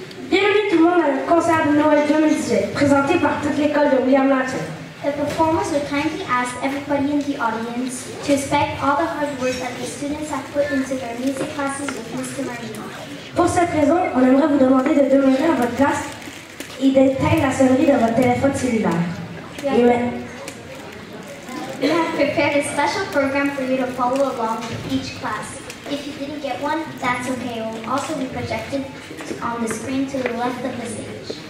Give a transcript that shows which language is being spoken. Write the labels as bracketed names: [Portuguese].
[French] Bienvenue tout le monde à notre concert de Noël 2018, présenté par toute l'école de William Hatter. [English] The performers would kindly ask everybody in the audience to respect all the hard work that the students have put into their music classes with Mr. Marino. [French] Pour cette raison, on aimerait vous demander de demeurer à votre classe et d'éteindre la sonnerie de votre téléphone cellulaire. [English] We have prepared a special program for you to follow along with each class. If you didn't get one, that's okay. It will also be projected on the screen to the left of the stage.